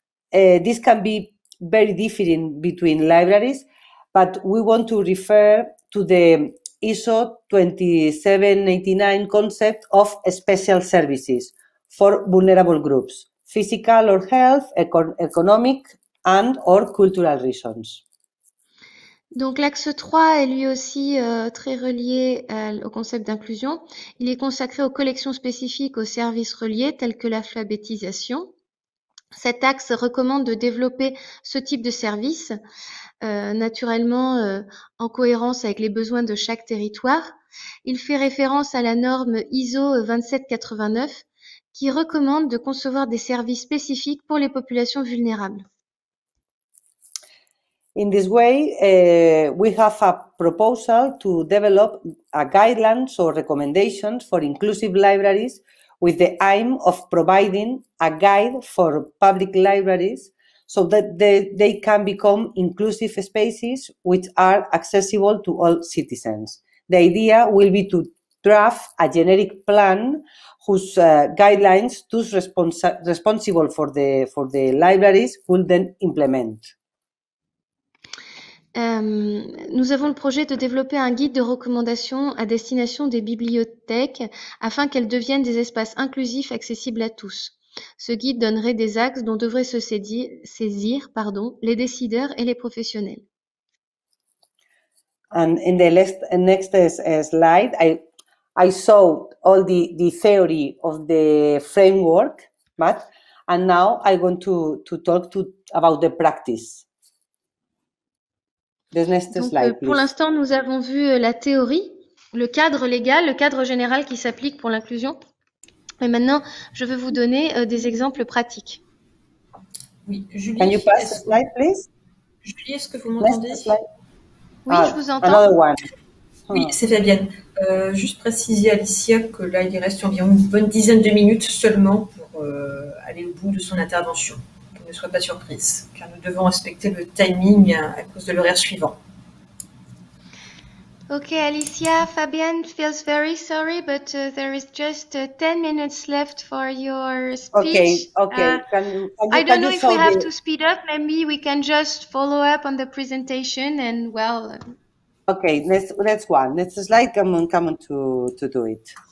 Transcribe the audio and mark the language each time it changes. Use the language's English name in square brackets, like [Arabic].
[English] This can be very different between libraries, but we want to refer to the ISO 27089 concept of special services for vulnerable groups, physical or health, economic and or cultural reasons. [French] Donc l'axe 3 est lui aussi très relié au concept d'inclusion. Il est consacré aux collections spécifiques aux services reliés tels que l'alphabétisation. Cet axe recommande de développer ce type de service, naturellement en cohérence avec les besoins de chaque territoire. Il fait référence à la norme ISO 2789 qui recommande de concevoir des services spécifiques pour les populations vulnérables. [English] In this way, we have a proposal to develop a guidelines or recommendations for inclusive libraries with the aim of providing a guide for public libraries so that they can become inclusive spaces which are accessible to all citizens. The idea will be to draft a generic plan whose guidelines those responsible for the libraries will then implement. [French] Nous avons le projet de développer un guide de recommandations à destination des bibliothèques afin qu'elles deviennent des espaces inclusifs accessibles à tous. Ce guide donnerait des axes dont devraient se saisir, les décideurs et les professionnels. [English] And in the next slide, I saw all the theory of the framework, but and now I want to talk to about the practice. [French] Pour l'instant, nous avons vu la théorie, le cadre légal, le cadre général qui s'applique pour l'inclusion. Et maintenant, je vais vous donner des exemples pratiques. Oui, Julie. [English] Can you pass the slide, please? [French] Julie, est-ce que vous m'entendez? Oui, je vous entends. [English] Another one. [French] Oui, c'est Fabienne. Juste préciser à Alicia que là, il reste environ une bonne dizaine de minutes seulement pour aller au bout de son intervention. Ne soyez pas surprise, car nous devons respecter le timing à cause de l'horaire suivant. [English] Ok, Alicia, Fabienne feels very sorry, but there is just 10 minutes left for your speech. Okay. I don't know if we have to speed up. Maybe we can just follow up on the presentation and well. Okay, let's one. Let's slide. Come on to do it.